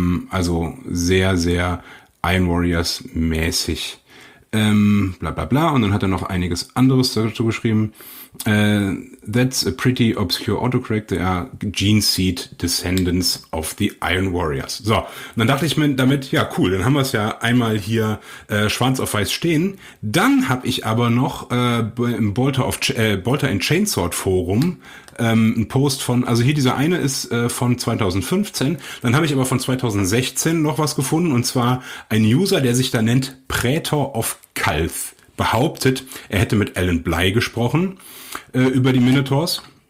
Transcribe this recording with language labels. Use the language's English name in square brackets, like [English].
[German] Also sehr, sehr Iron Warriors mäßig. Und dann hat er noch einiges anderes dazu geschrieben. [English] That's a pretty obscure autocorrect. They are gene seed descendants of the Iron Warriors. [German] So, und dann dachte ich mir damit, ja cool, dann haben wir es ja einmal hier schwarz auf weiß stehen. Dann habe ich aber noch im Bolter in Chainsword Forum ein Post von, also hier dieser eine ist von 2015, dann habe ich aber von 2016 noch was gefunden, und zwar ein User, der sich da nennt Praetor of Kalth, behauptet, er hätte mit Alan Bly gesprochen über die Minotaurs,